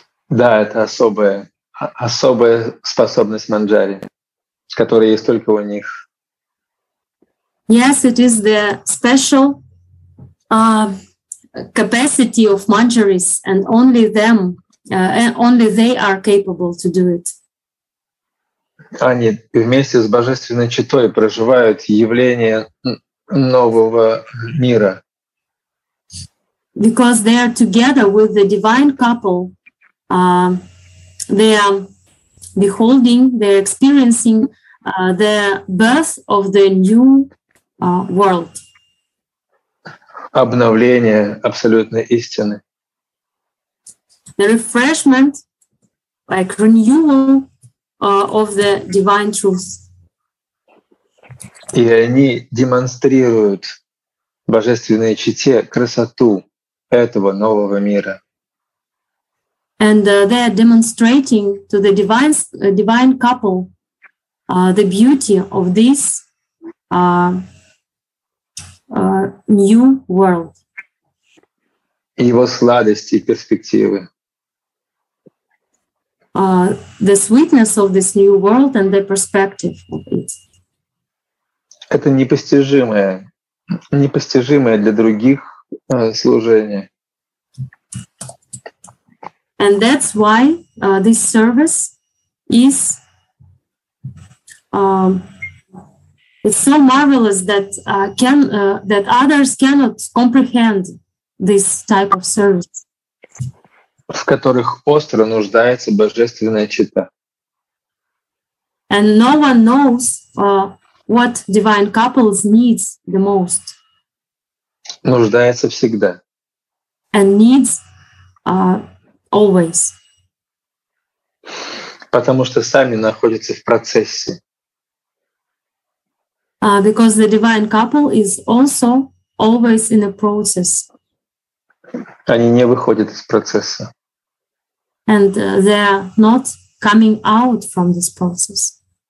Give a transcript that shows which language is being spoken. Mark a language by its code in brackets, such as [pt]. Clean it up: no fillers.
[ru] Да, это особая способность манджари, которая есть только у них. [en] Yes, it is the special capacity of manjaris, and only them, only they are capable to do it. [ru] Они вместе с божественной читой проживают явление нового мира. [en] Because they are together with the divine couple, they are beholding, they are experiencing the birth of the new world. [ru] Обновление абсолютной истины. [en] The refreshment, like renewal of the divine truth. [ru] И они демонстрируют божественной чите красоту этого нового мира. [en] And they are demonstrating to the divine couple the beauty of this new world. [ru] Его сладости и перспективы. [en] The sweetness of this new world and the perspective of it. [ru] Это непостижимое для других служение. [en] And that's why this service is it's so marvelous that that others cannot comprehend this type of service. [ru] В которых остро нуждается божественная чита. [en] And no one knows what divine couples needs the most. [ru] Нуждается всегда. [en] And needs always. [ru] Потому что сами находятся в процессе. [en] Because the divine couple is also always in a process. [ru] Они не выходят из процесса. [en] And they are not coming out from this process.